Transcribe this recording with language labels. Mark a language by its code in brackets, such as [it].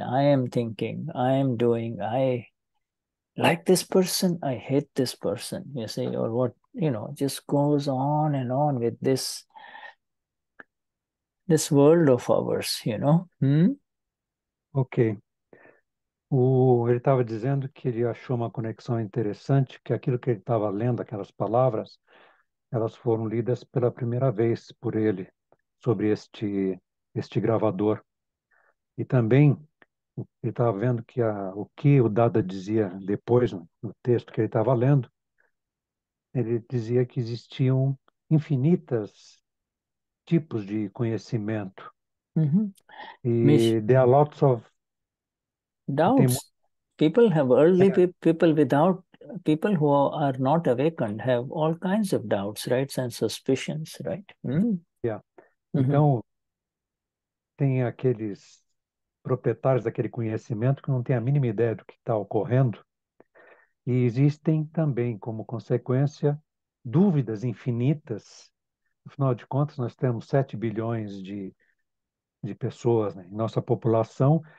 [en] I am thinking, I am doing, I like this person, I hate this person, you see, or what, you know, just goes on and on with this world of ours, you know. Ok. [pt] Ele estava dizendo que ele achou uma conexão interessante, que aquilo que ele estava lendo, aquelas palavras, elas foram lidas pela primeira vez por ele sobre este gravador. E também ele estava vendo que o que o Dada dizia depois, no texto que ele estava lendo, ele dizia que existiam infinitas tipos de conhecimento. [en] E there are lots of doubts. People have early people without people who are not awakened have all kinds of doubts, right? And suspicions, right? [pt] Então, tem aqueles proprietários daquele conhecimento que não tem a mínima ideia do que está ocorrendo. E existem também, como consequência, dúvidas infinitas. Afinal de contas, nós temos 7 bilhões de pessoas, né, em nossa população.